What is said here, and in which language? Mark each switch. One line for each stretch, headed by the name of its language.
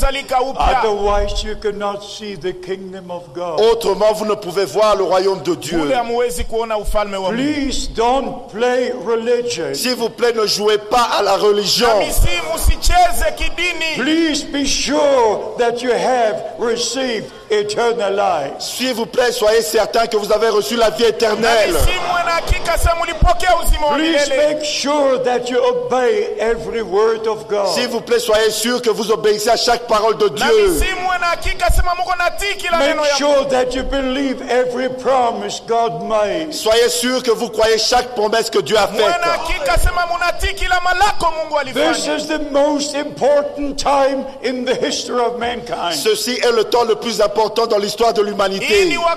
English: Otherwise, you cannot see the kingdom of God.
French: Autrement, vous ne pouvez voir le royaume de Dieu.
English: Please don't play religion.
French: S'il vous plaît, ne jouez pas à la religion.
English: Please be sure that you have received eternal life.
French: S'il vous plaît, soyez certain que vous avez reçu la vie éternelle.
English: Please make sure that you obey every word of God.
French: S'il vous plaît, soyez sûr que vous obéissez à chaque parole de Dieu.
English: Make sure that you believe every promise God made.
French: Soyez sûr que vous croyez chaque promesse que Dieu a faite.
English: This is the most important time in the history of mankind.
French: Ceci est le temps le plus important dans l'histoire de l'humanité.